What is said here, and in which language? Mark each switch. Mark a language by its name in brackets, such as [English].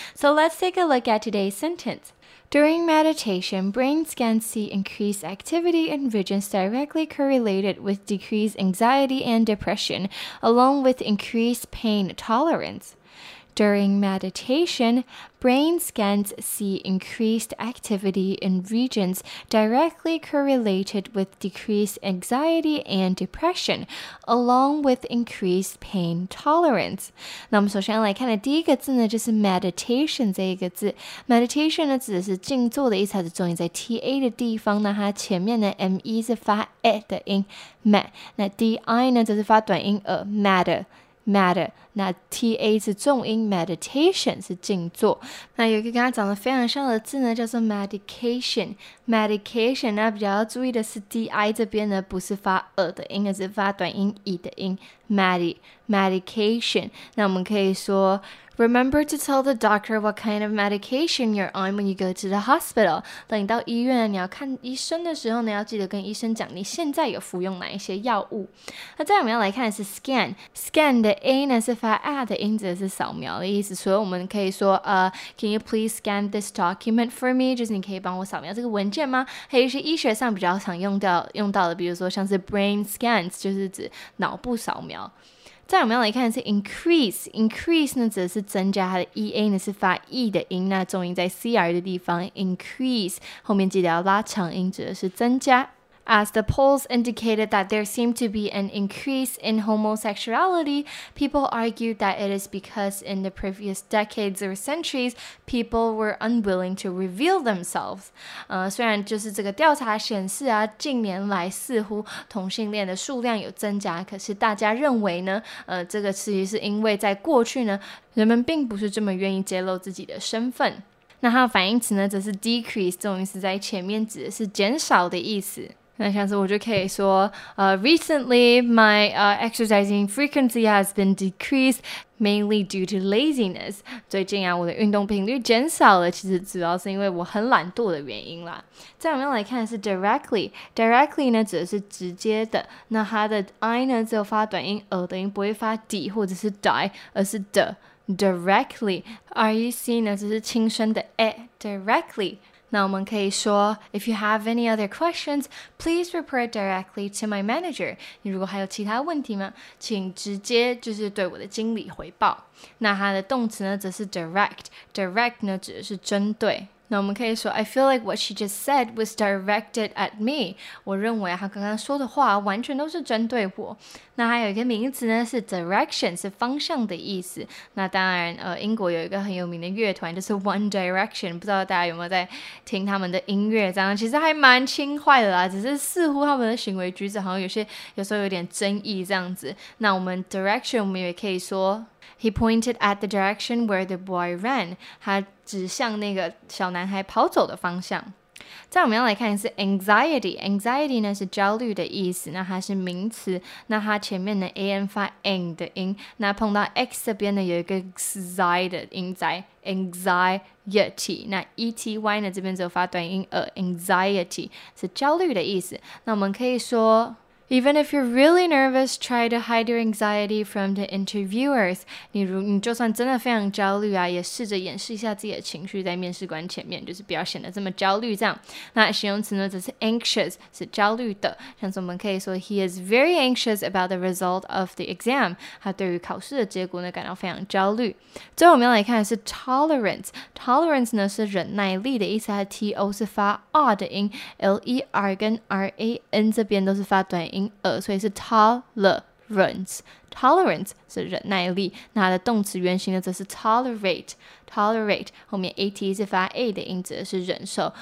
[English] So let's take a look at today's sentence. During meditation, brain scans see increased activity and vigilance directly correlated with decreased anxiety and depression, along with increased pain tolerance. During meditation, brain scans see increased activity in regions directly correlated with decreased anxiety and depression, along with increased pain tolerance. [Chinese] 那我们首先来看的第一个字呢，就是 meditation 这一个字。 Meditation 呢，指的是静坐的意思，它是重音在 TA 的地方。那它前面呢 ，ME 是发 E 的音 ，mat。那 DI 呢，则是发短音 matter。Matter, 那 TA 是重音 ，meditation 是静坐。那有一个跟它长得非常像的字呢，叫做 medication。 Medication 那比较要注意的是 DI 这边呢，不是发 的音，而是发短音 E 的音。 [English] Medication。 [Chinese] 那我们可以说 [English] ，Remember to tell the doctor what kind of medication you're on when you go to the hospital。 [Chinese] 等你到医院，你要看医生的时候呢，要记得跟医生讲你现在有服用哪一些药物。那再来我们要来看的是 scan。Scan 的 A 呢是发 A 的音，指的是扫描的意思。所以我们可以说， [English] Can you please scan this document for me？ [Chinese] 就是你可以帮我扫描这个文件吗？还有一些医学上比较常用到的，比如说像是 brain scans， 就是指脑部扫描。再我们要来看的是 increase 呢，指的是增加，它的 ea 呢是发 e 的音，那重音在 cr 的地方 increase， 后面记得要拉长音，指的是增加。 [English] As the polls indicated that there seemed to be an increase in homosexuality, people argued that it is because in the previous decades or centuries, people were unwilling to reveal themselves. [Chinese] 虽然就是这个调查显示啊，近年来似乎同性恋的数量有增加，可是大家认为呢，这个其实是因为在过去呢，人们并不是这么愿意揭露自己的身份。那它的反应词呢，则是 decrease， 重音是在前面，指的是减少的意思。那像是我就可以说 [English] recently my exercising frequency has been decreased mainly due to laziness. [Chinese] 最近啊我的运动频率减少了，其实主要是因为我很懒惰的原因啦。再我们来看的是 directly。directly 呢指的是直接的，那它的 I 呢只有发短音 e 的音，不会发 D 或者是 die， 而是 de。 [English] directly。 [Chinese] REC 呢只是轻声的 e。 [English] directly。 [Chinese] 那我们可以说 [English] If you have any other questions, please report directly to my manager. [Chinese] 你如果还有其他问题吗？请直接就是对我的经理回报。那它的动词呢，则是 direct。direct 呢，指的是针对。那我们可以说 [English] I feel like what she just said was directed at me. [Chinese] 我认为她刚刚说的话完全都是针对我。那还有一个名词呢，是 direction， 是方向的意思。那当然英国有一个很有名的乐团，就是 One Direction， 不知道大家有没有在听他们的音乐，这样其实还蛮轻快的啦，只是似乎他们的行为举止好像有时候有点争议这样子。那我们 [English] direction [Chinese] 我们也可以说 [English] He pointed at the direction where the boy ran. [Chinese] 他指向那个小男孩跑走的方向。再我们要来看是 anxiety。anxiety 呢是焦虑的意思，那它是名词。那它前面的 an 发 ng 的音，那碰到 x 这边呢有一个 z 的音在 anxiety。那 ety 呢这边只有发短音 anxiety 是焦虑的意思。那我们可以说。 [English] Even if you're really nervous, try to hide your anxiety from the interviewers. [Chinese] 你就算真的非常焦虑啊，也试着掩饰一下自己的情绪在面试官前面，就是不要显得这么焦虑这样。那形容词呢，则是 anxious， 是焦虑的。像是我们可以说 [English] ，He is very anxious about the result of the exam. [Chinese] 他对于考试的结果呢，感到非常焦虑。最后我们要来看的是 tolerance。 tolerance 呢是忍耐力的意思，它 T O 是发 R 的音 ，L E R 跟 R A N 这边都是发短音。所以是 tolerance 是忍耐力，那它的动词原形呢则是 tolerate 后面 at 是发 a 的音，指的是忍受。